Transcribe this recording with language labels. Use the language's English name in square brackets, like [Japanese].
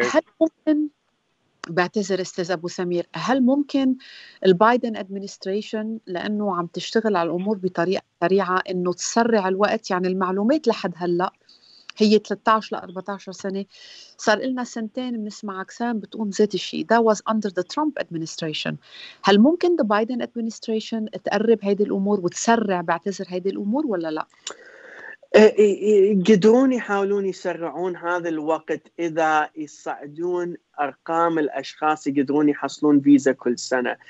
[Arabic] هل ممكن، بعتذر استاذ ابو سمير، هل ممكن البايدن ادمنستريشن لانه عم تشتغل على الامور بطريقه سريعه انه تسرع الوقت؟ يعني المعلومات لحد هلا هي 13 ل 14 سنه، صار لنا سنتين بنسمع اقسام بتقوم ذات الشيء. [English] That was under the Trump administration. [Arabic] هل ممكن [English] the Biden administration [Arabic] تقرب هيدي الامور وتسرع، بعتذر، هيدي الامور ولا لا؟ يقدرون يحاولون يسرعون هذا الوقت إذا يصعدون أرقام الأشخاص يقدرون يحصلون فيزا كل سنة.